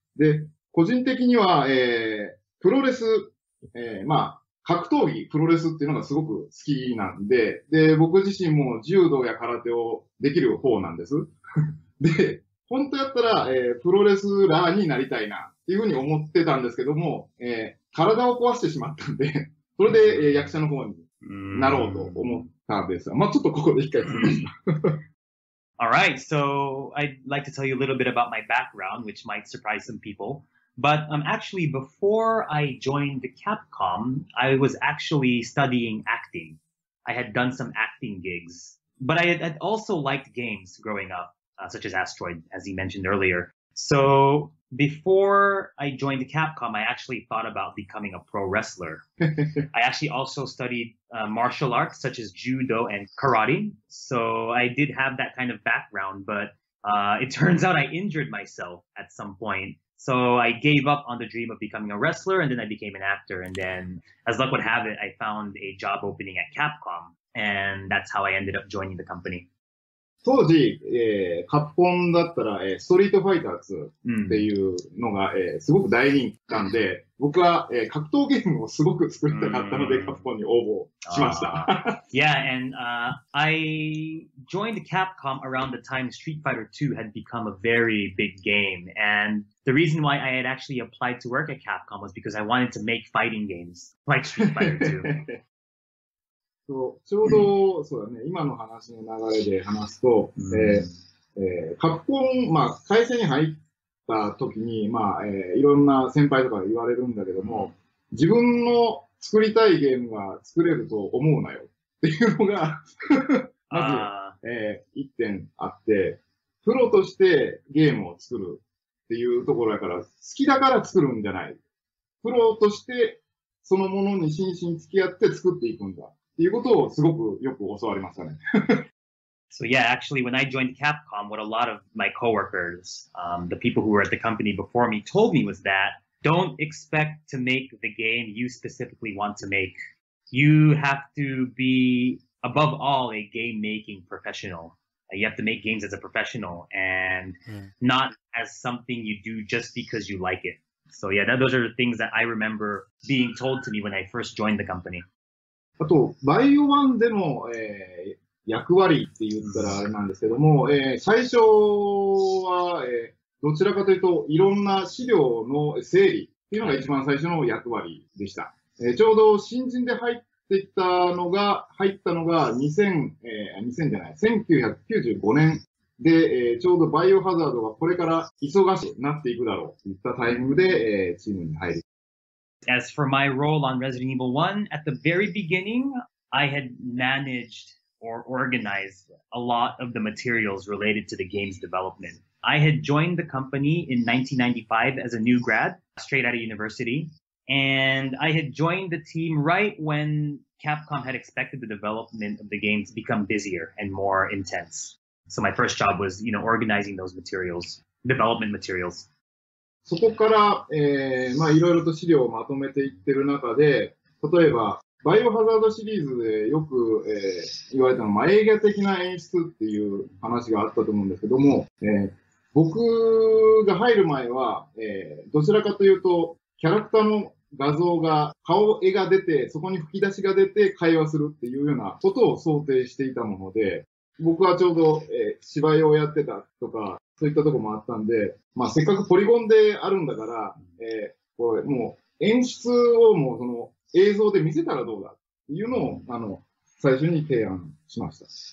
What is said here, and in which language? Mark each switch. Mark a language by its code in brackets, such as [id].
[ja] で、個人的には、プロレス、まあ、格闘技、プロレスっていうのがすごく好きなんで、で、僕自身も柔道や空手をできる方なんです。で、本当やったら、プロレスラーになりたいなっていうふうに思ってたんですけども、体を壊してしまったんで、それで、役者の方になろうと思ったんですが、まあ、ちょっとここで一回進みました。 [en] Alright, so I'd like to tell you a little bit about my background, which might surprise some people. But, actually, before I joined the Capcom, I was actually studying acting. I had done some acting gigs. But I had also liked games growing up, such as Asteroid, as he mentioned earlier. So, before I joined the Capcom, I actually thought about becoming a pro wrestler. I actually also studied, martial arts, such as judo and karate. So, I did have that kind of background, but, it turns out I injured myself at some point. So I gave up on the dream of becoming a wrestler, and then I became an actor. And then, as luck would have it, I found a job opening at Capcom. And that's how I ended up joining the company. [ja] 当時、カプコンだったら、ストリートファイターズっていうのが、すごく大人気なんで、僕は、格闘ゲームをすごく作りたかったので、カプコンに応募しました。 [en] yeah, and, I joined Capcom around the time Street Fighter 2 had become a very big game. AndThe reason why I had actually applied to work at Capcom was because I wanted to make fighting games like Street Fighter 2. [ja] そう、ちょうど、そうだね、今の話の流れで話すと、カプコン、まあ、会社に入った時に、まあ、いろんな先輩とか言われるんだけども、自分の作りたいゲームは作れると思うなよっていうのが、まず、一点あって、プロとしてゲームを作る。っていうところだから、好きだから作るんじゃない。プロとして、そのものに真摯に付き合って作っていくんだ。っていうことをすごくよく教わりましたね。 [en] So yeah, actually, when I joined Capcom, what a lot of my coworkers, the people who were at the company before me told me was that, don't expect to make the game you specifically want to make. You have to be, above all, a game-making professional. You have to make games as a professional and not as something you do just because you like it. So yeah, that, those are the things that I remember being told to me when I first joined the company. [ja] あと、バイオワンでの、役割って言ったらあれなんですけども、最初は、どちらかというといろんな資料の整理っていうのが一番最初の役割でした。ちょうど新人で入ってって言ったのが、入ったのが1995年で、ちょうどバイオハザードがこれから忙しくなっていくだろうといったタイミングで、チームに入る。 [en] As for my role on Resident Evil 1, at the very beginning, I had managed or organized a lot of the materials related to the game's development. I had joined the company in 1995 as a new grad, straight out of university. And I had joined the team right when Capcom had expected the development of the game to become busier and more intense. So my first job was, you know, organizing those materials, development materials. [ja] そこから、まあいろいろと資料をまとめていってる中で、例えばバイオハザードシリーズでよく、言われたの、映画的な演出っていう話があったと思うんですけども、僕が入る前は、どちらかというと、キャラクターの画像が、顔、絵が出て、そこに吹き出しが出て会話するっていうようなことを想定していたもので、僕はちょうど、芝居をやってたとか、そういったとこもあったんで、まあ、せっかくポリゴンであるんだから、これもう演出をもうその映像で見せたらどうだっていうのを、最初に提案しました。